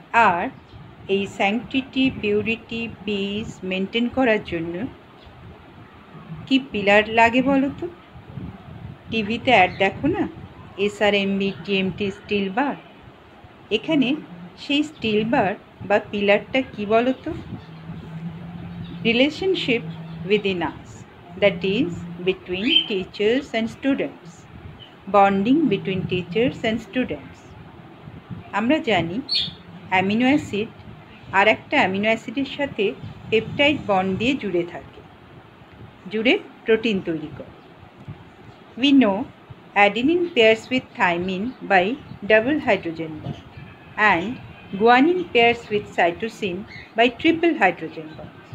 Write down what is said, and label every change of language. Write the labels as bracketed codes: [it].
[bn] আর এই sanctity, purity, piece maintain করার জন্য কি পিলার লাগে বলো তো? টিভিতে অ্যাড দেখো না, SRMB TMT স্টিল বার। এখানে সেই স্টিল বার বা পিলারটা কি বলো তো? [en] Relationship within us, that is between teachers and students, bonding between teachers and students. [bn] আমরা জানি অ্যামিনো অ্যাসিড আর একটা অ্যামিনো অ্যাসিডের সাথে পেপটাইড বন্ড দিয়ে জুড়ে থাকে, জুড়ে প্রোটিন তৈরি করে। [en] We know adenine pairs with thymine by double hydrogen bond and guanine pairs with cytosine by triple hydrogen bond.